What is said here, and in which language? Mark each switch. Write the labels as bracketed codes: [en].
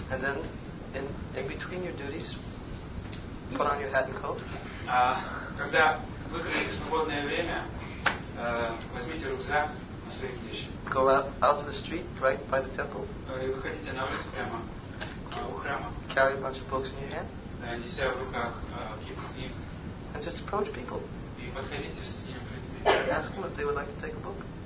[en] And then, in between your duties, put on your hat and coat. [ru] Когда выкроите свободное время, возьмите рюкзак на свои вещи. [en] Go out of the street, right by the temple. [ru] И выходите на улицу прямо у храма. [en] Carry a bunch of books in your hand. [ru] Неся в руках кипу книг. [en] And just approach people. [ru] И подходите с ними людьми. [en] Ask them if they would like to take a book.